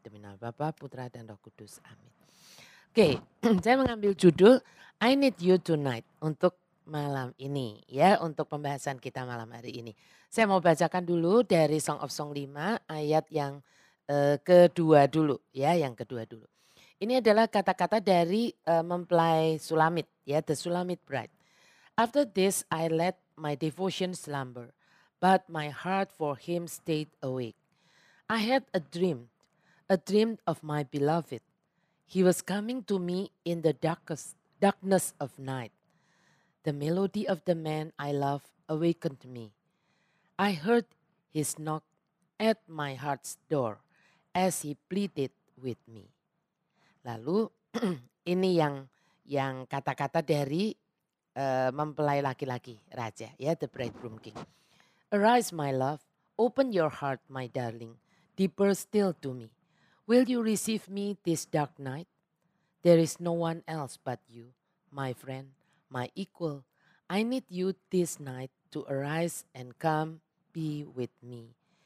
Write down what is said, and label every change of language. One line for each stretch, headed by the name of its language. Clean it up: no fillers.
Indonesian: Demi nama Bapa, Putra, dan Roh Kudus. Amin. Oke, saya mengambil judul I Need You Tonight untuk malam ini, ya, untuk pembahasan kita malam hari ini. Saya mau bacakan dulu dari Song of Song 5 ayat yang kedua dulu, ya, yang kedua dulu. Ini adalah kata-kata dari mempelai Sulamit, ya,
English: the Sulamit bride. After this I let my devotion slumber, but my heart for him stayed awake. I had a dream of my beloved. He was coming to me in the darkness of night. The melody of the man I love awakened me. I heard his knock at my heart's door as he pleaded with me.
Indonesian: Lalu ini yang kata-kata dari mempelai laki-laki raja, ya,
English: the bridegroom king. Arise my love, open your heart my darling, deeper still to me. Will you receive me this dark night? There is no one else but you, my friend, my equal. I need you this night to arise and come be with me.